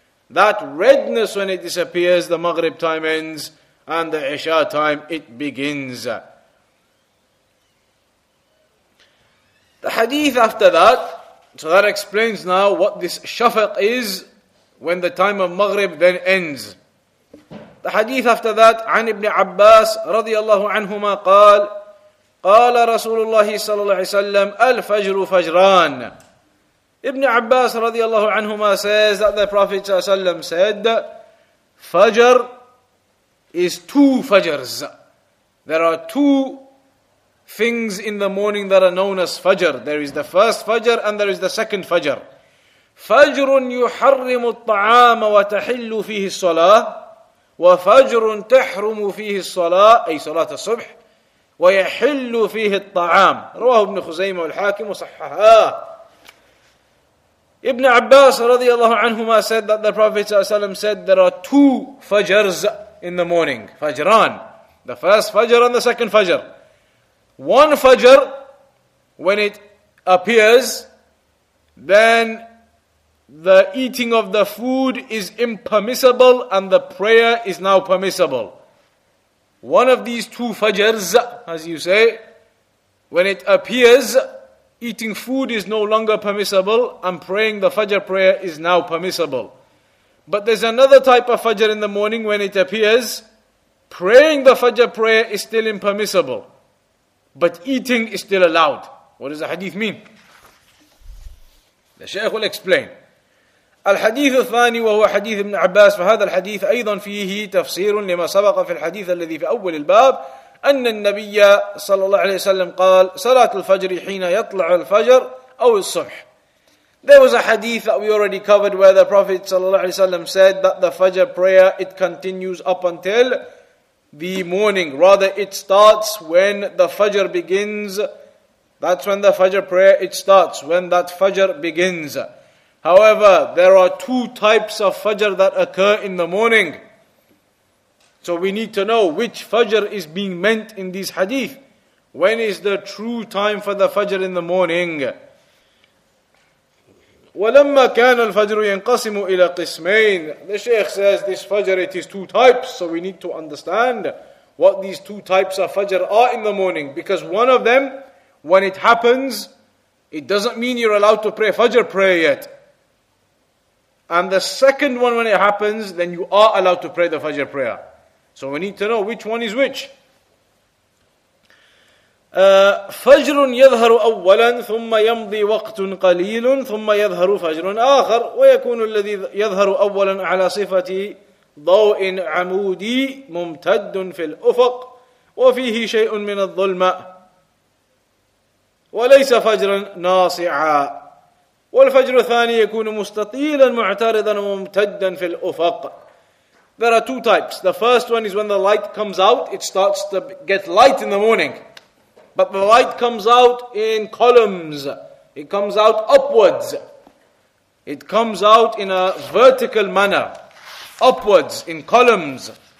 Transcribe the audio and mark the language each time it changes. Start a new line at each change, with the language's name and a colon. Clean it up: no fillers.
English: That redness, when it disappears, the Maghrib time ends and the Isha time, it begins. The hadith after that, so that explains now what this shafaq is when the time of Maghrib then ends. The hadith after that,
Arabic: عن ابن عباس رضي الله عنهما قال قال رسول الله صلى الله عليه وسلم الفجر فجران.
English: Ibn Abbas
Arabic: رضي الله عنهما
English: says that the Prophet
Arabic: صلى الله عليه وسلم
English: said Fajr is two fajrs. There are two things in the morning that are known as Fajr. There is the first Fajr and there is the second Fajr.
Arabic: فجر يحرم الطعام وتحل فيه الصلاة وفجر تحرم فيه الصلاة أي صلاة الصبح ويحل فيه الطعام. رواه ابن خزيمة والحاكم وصححاه.
English: Ibn Abbas radiallahu anhuma said that the Prophet said there are two fajrs in the morning. Fajran. The first fajr and the second fajr. One fajr, when it appears, then the eating of the food is impermissible and the prayer is now permissible. One of these two fajrs, as you say, when it appears, eating food is no longer permissible and praying the Fajr prayer is now permissible. But there's another type of Fajr in the morning when it appears, praying the Fajr prayer is still impermissible, but eating is still allowed. What does the hadith mean? The Shaykh will explain.
Arabic: الحديث الثاني وهو حديث ابن عباس فهذا الحديث أيضا فيه تفسير لما سبق في الحديث الذي في أول الباب أن النبي صلى الله عليه وسلم قال صلاة الفجر حين يطلع الفجر أو الصبح.
English: There was a hadith that we already covered where the Prophet
Arabic: صلى الله عليه وسلم
English: said that the Fajr prayer, it continues up until the morning. Rather, it starts when the Fajr begins. That's when the Fajr prayer, it starts when that Fajr begins. However, there are two types of Fajr that occur in the morning. So we need to know which Fajr is being meant in this hadith. When is the true time for the Fajr in the morning?
Arabic: وَلَمَّا كَانَ الْفَجْرُ يَنْقَسِمُ إِلَى قِسْمَيْنِ.
English: The Shaykh says this Fajr, it is two types. So we need to understand what these two types of Fajr are in the morning. Because one of them, when it happens, it doesn't mean you're allowed to pray Fajr prayer yet. And the second one, when it happens, then you are allowed to pray the Fajr prayer. So we need to know which one is which.
Arabic: فجر يظهر أولا ثم يمضي وقت قليل ثم يظهر فجر آخر ويكون الذي يظهر أولا على صفة ضوء عمودي ممتد في الأفق وفيه شيء من الظلمة وليس فجرا ناصعا والفجر الثاني يكون مستطيلا معترضا ممتدا في الأفق.
English: There are two types. The first one is when the light comes out, it starts to get light in the morning. But the light comes out in columns. It comes out upwards. It comes out in a vertical manner. Upwards, in columns.